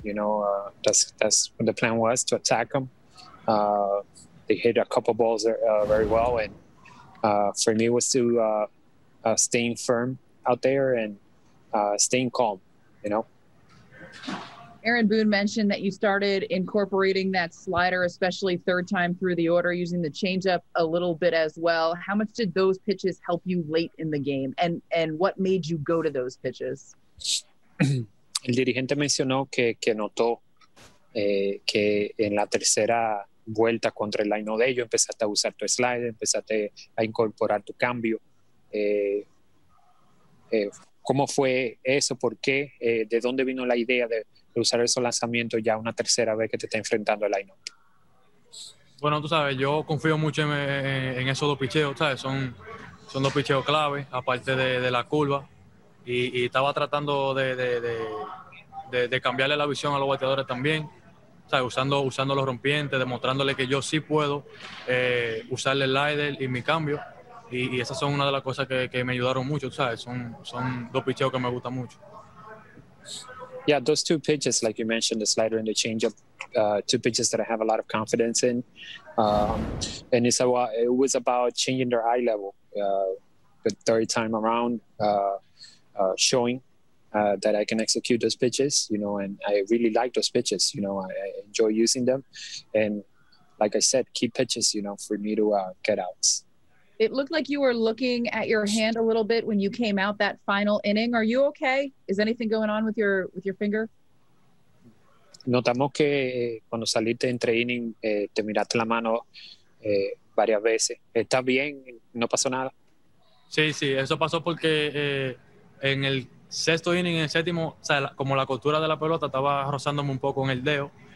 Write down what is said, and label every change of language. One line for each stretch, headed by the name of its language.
English: You know, that's what the plan was, to attack them. They hit a couple balls very well, and for me, it was to staying firm out there and staying calm. You know. Aaron Boone mentioned that you started incorporating that slider, especially third time through the order, using the changeup a little bit as well. How much did those pitches help you late in the game, and what made you go to those pitches?
Spanish: El dirigente mencionó que notó que en la tercera vuelta contra el line-up de ellos empezaste a usar tu slider, empezaste a incorporar tu cambio. ¿Cómo fue eso? ¿Por qué? ¿De dónde vino la idea de usar esos lanzamientos ya una tercera vez que te está enfrentando el line-up? Bueno, tú sabes, yo confío mucho en esos dos picheos, ¿sabes? Son dos picheos clave, aparte de la curva. Y estaba tratando de cambiarle la visión a los bateadores también, ¿sabes? Usando los rompientes, demostrándole que yo sí puedo usarle el slider y mi cambio. Y esas son una de las cosas que me ayudaron mucho, ¿sabes? Son dos picheos que me gustan mucho.
English: Yeah, those two pitches, like you mentioned, the slider and the changeup, two pitches that I have a lot of confidence in. And it's about, it was about changing their eye level the third time around, showing that I can execute those pitches, you know, and I really like those pitches, you know, I enjoy using them. And like I said, key pitches, you know, for me to get outs. It looked like you were looking at your hand a little bit when you came out that final inning. Are you okay? Is anything going on with your finger?
Spanish: Notamos que cuando saliste entre inning, te miraste la mano varias veces. ¿Estás bien? ¿No pasó nada? Sí, sí. Eso pasó porque en el sexto inning, en el séptimo, o sea, como la costura de la pelota estaba rozándome un poco en el dedo.